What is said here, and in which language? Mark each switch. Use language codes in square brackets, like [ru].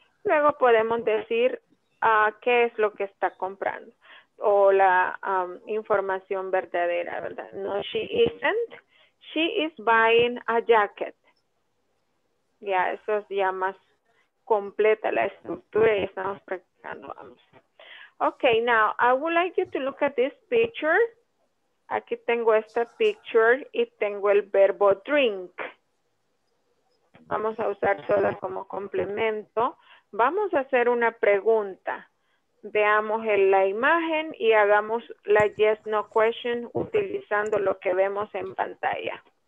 [es] Luego podemos decir qué es lo que está comprando. O la información verdadera, ¿verdad? [en] No, she isn't. She is buying a jacket. [es] Ya, eso es ya más completa la estructura y estamos practicando. Vamos. [en] Ok, now I would like you to look at this picture. [es] Aquí tengo esta picture y tengo el verbo drink. Vamos a usar todas como complemento. Vamos a hacer una pregunta. Veamos la imagen y hagamos la yes, no question utilizando lo que vemos en pantalla.